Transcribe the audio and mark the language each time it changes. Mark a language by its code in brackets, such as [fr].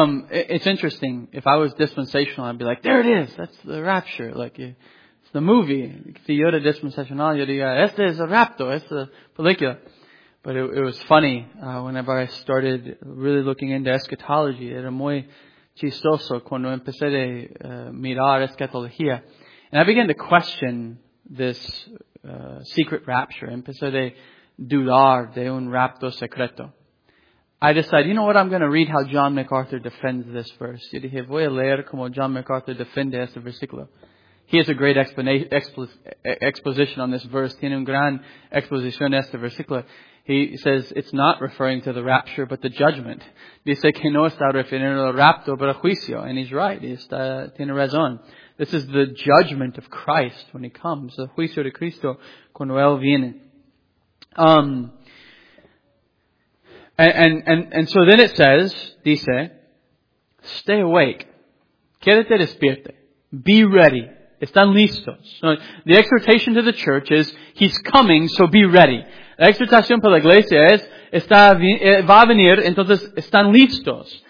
[en] It's interesting. If I was dispensational, I'd be like, there it is. That's the rapture. Like, it's the movie. [es] Si yo era dispensacional, yo diría, este es el rapto, esta es la película. [en] But it was funny, whenever I started really looking into eschatology. [es] Era muy chistoso cuando empecé de mirar eschatología. [en] And I began to question this, secret rapture. [es] Empecé de dudar de un rapto secreto. [en] I decided, you know what, I'm going to read how John MacArthur defends this verse. [es] Yo dije, voy a leer como John MacArthur defiende este versículo. [en] He has a great exposition on this verse. [es] Tiene un gran exposición este versículo. [en] He says it's not referring to the rapture, but the judgment. [es] Dice que no está refiriendo al rapto, pero al juicio. [en] And he's right. [es] Tiene razón. [en] This is the judgment of Christ when he comes. [es] El juicio de Cristo cuando él viene. [en] And so then it says, dice, stay awake. [es] Quédate despierte. [en] Be ready. [es] Están listos. [en] So the exhortation to the church is, he's coming, so be ready. [es] La exhortación para la iglesia es, va a venir, entonces están listos.